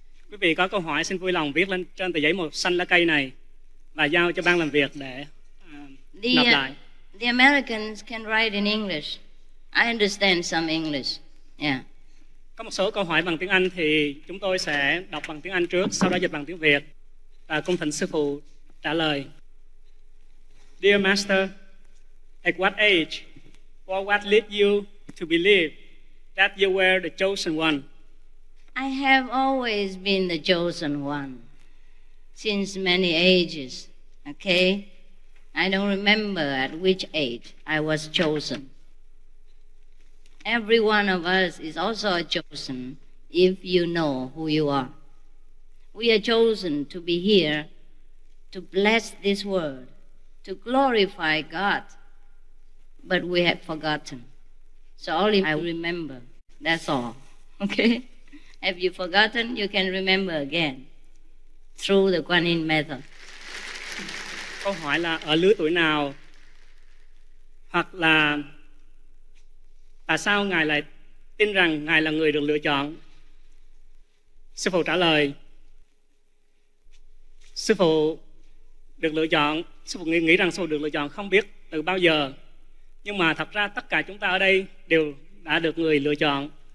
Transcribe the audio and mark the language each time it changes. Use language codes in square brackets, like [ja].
[vi] Quý vị có câu hỏi xin vui lòng viết lên trên tờ giấy màu xanh lá cây này và giao cho ban làm việc để nộp lại. [en] The Americans can write in English. I understand some English. Yeah. [vi] Có một số câu hỏi bằng tiếng Anh thì chúng tôi sẽ đọc bằng tiếng Anh trước, sau đó dịch bằng tiếng Việt và cung thỉnh sư phụ trả lời. [en] Dear Master, at what age or what led you to believe that you were the chosen one? I have always been the chosen one since many ages. Okay? I don't remember at which age I was chosen. Every one of us is also chosen if you know who you are. We are chosen to be here to bless this world, to glorify God, but we have forgotten. So only I remember, that's all, okay? Have you forgotten? You can remember again through the Quan Yin method. [vi] Câu hỏi là ở lứa tuổi nào hoặc là tại sao Ngài lại tin rằng Ngài là người được lựa chọn? Sư phụ trả lời, sư phụ được lựa chọn, sư phụ nghĩ rằng sư phụ được lựa chọn không biết từ bao giờ, nhưng mà thật ra tất cả chúng ta ở đây đều đã được người lựa chọn.